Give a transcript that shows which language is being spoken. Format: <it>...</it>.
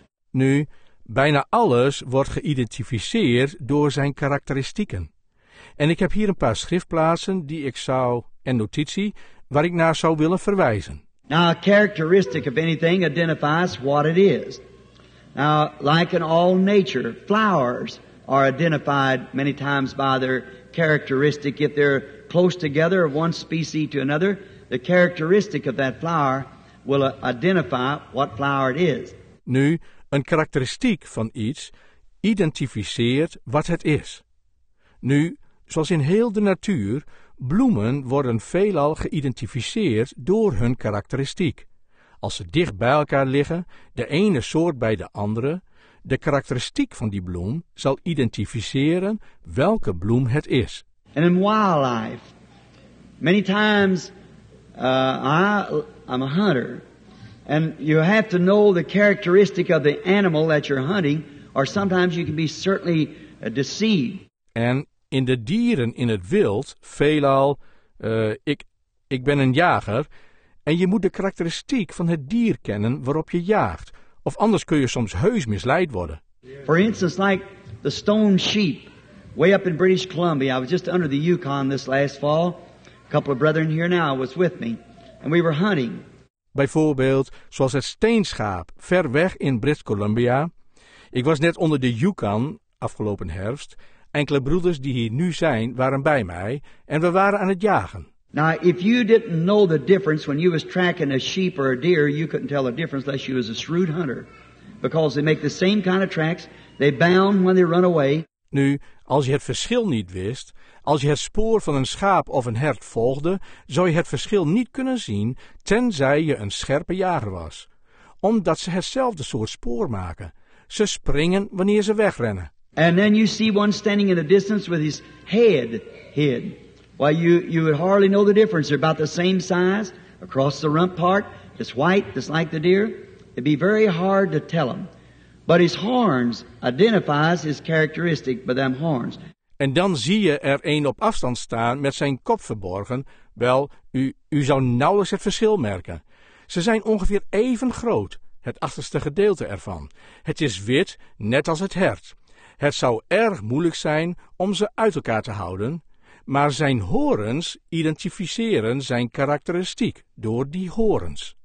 <nl>Nu, bijna alles wordt geïdentificeerd door zijn karakteristieken. En ik heb hier een paar schriftplaatsen die ik zou en notitie waar ik naar zou willen verwijzen.</nl> <en>Now, a characteristic of anything identifies what it is. Now, like in all nature, flowers are identified many times by their characteristic. If they're close together of one species to another, the characteristic of that flower will identify what flower it is.</en> <nl>Nu, een karakteristiek van iets identificeert wat het is. Nu, zoals in heel de natuur, bloemen worden veelal geïdentificeerd door hun karakteristiek. Als ze dicht bij elkaar liggen, de ene soort bij de andere, de karakteristiek van die bloem zal identificeren welke bloem het is.</nl> <en>And in wildlife, many times I'm a hunter, and you have to know the characteristic of the animal that you're hunting, or sometimes you can be certainly deceived.</en> <nl>En in de dieren in het wild, veelal, ik ben een jager, en je moet de karakteristiek van het dier kennen waarop je jaagt, of anders kun je soms heus misleid worden.</nl> <en>For instance, like the stone sheep, way up in British Columbia, I was just under the Yukon this last fall, a couple of brethren here now was with me, and we were hunting.</en> <nl>Bijvoorbeeld, zoals het steenschaap, ver weg in British Columbia. Ik was net onder de Yukon, afgelopen herfst. Enkele broeders die hier nu zijn, waren bij mij en we waren aan het jagen.</nl> <en>Now, if you didn't know the difference when you was tracking a sheep or a deer, you couldn't tell the difference unless you was a shrewd hunter. Because they make the same kind of tracks, they bound when they run away.</en> <nl>Nu, als je het verschil niet wist, als je het spoor van een schaap of een hert volgde, zou je het verschil niet kunnen zien, tenzij je een scherpe jager was. Omdat ze hetzelfde soort spoor maken. Ze springen wanneer ze wegrennen.</nl> <en>And then you see one standing in the distance with his head hid. Why, you would hardly know the difference. They're about the same size, across the rump part. It's white, just like the deer. It'd be very hard to tell them. But his horns identifies his characteristic by them horns.</en> <nl>En dan zie je er een op afstand staan met zijn kop verborgen. Wel, u zou nauwelijks het verschil merken. Ze zijn ongeveer even groot, het achterste gedeelte ervan. Het is wit, net als het hert. Het zou erg moeilijk zijn om ze uit elkaar te houden, maar zijn horens identificeren zijn karakteristiek door die horens.</nl>